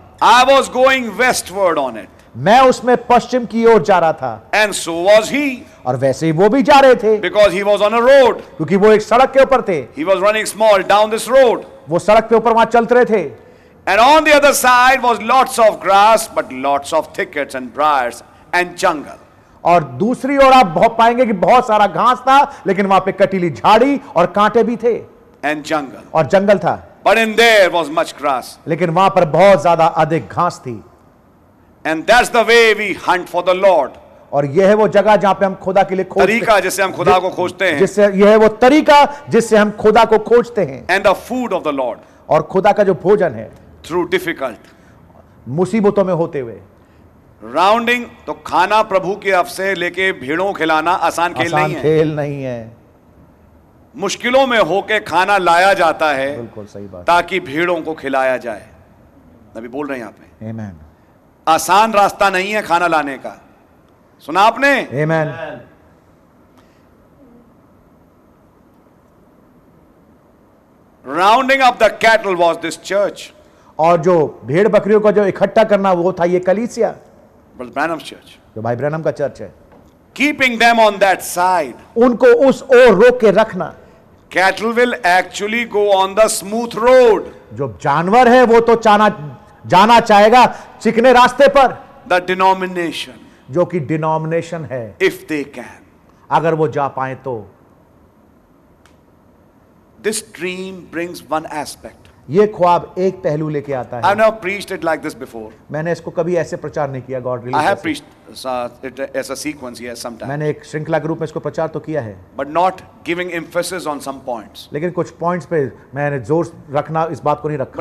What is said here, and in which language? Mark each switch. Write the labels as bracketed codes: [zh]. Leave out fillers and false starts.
[en] I was going westward on it. [hi] मैं उसमें पश्चिम की ओर जा रहा था. [en] And so was he. [hi] और वैसे ही वो भी जा रहे थे. [en] Because he was on a road. [hi] क्योंकि वो एक सड़क के ऊपर थे. [en] He was running small down this road. [hi] वो सड़क के ऊपर वहां चलते रहे थे. [en] And on the other side was lots of grass, but lots of thickets and briars and jungle. [hi] और दूसरी ओर आप बहुत पाएंगे कि बहुत सारा घास था, लेकिन वहाँ पे कटीली झाड़ी और कांटे भी थे. [en] And jungle. [hi] और जंगल था. [en] But in there was much grass. [hi] लेकिन वहाँ पर बहुत ज़्यादा अधिक घास थी. [en] And that's the way we hunt for the Lord. [hi] और यह है वो जगह जहाँ पे हम खुदा के लिए खोजते हैं. तरीका जिससे हम खुदा को खोजते हैं. जिससे यह है वो तरीका जिससे हम खुदा को खोजते हैं. [en] And the food of the Lord. [hi] और खुदा का जो भोजन है. [en] Through difficult, [hi] मुसीबतों में होते हुए, rounding तो खाना प्रभु के अवसर लेके भेड़ों खिलाना आसान खेल नहीं है. खेल नहीं है. मुश्किलों में होके खाना लाया जाता है. बिल्कुल सही बात. ताकि भेड़ों को खिलाया जाए. अभी बोल रहे हैं आपने. [en] Amen. [hi] आसान रास्ता नहीं है खाना लाने का. सुना आपने? [en] Amen. Rounding up the cattle was this church. [hi] और जो भेड़ बकरियों का जो इकट्ठा करना वो था ये कलीसिया. [en] Brother Branham church. [hi] जो भाई ब्रैनम का चर्च है. [en] Keeping them on that side. [hi] उनको उस ओर रोक के रखना. [en] Cattle will actually go on the smooth road. [hi] जो जानवर है वो तो जाना चाहेगा चिकने रास्ते पर. [en] The denomination. [hi] जो कि डिनोमिनेशन है. [en] If they can. [hi] अगर वो जा पाए तो. [en] This dream brings one aspect. [hi] ये ख्वाब एक पहलू लेके आता है. [en] I have never preached it like this before. [hi] मैंने इसको कभी ऐसे प्रचार नहीं किया. [en] God really. I have preached it as a sequence, yes, sometimes. [hi] मैंने एक श्रृंखला के रूप में इसको प्रचार तो किया है. [en] But not giving emphasis on some points. [hi] लेकिन कुछ पॉइंट्स पे मैंने जोर रखना इस बात को नहीं रखा.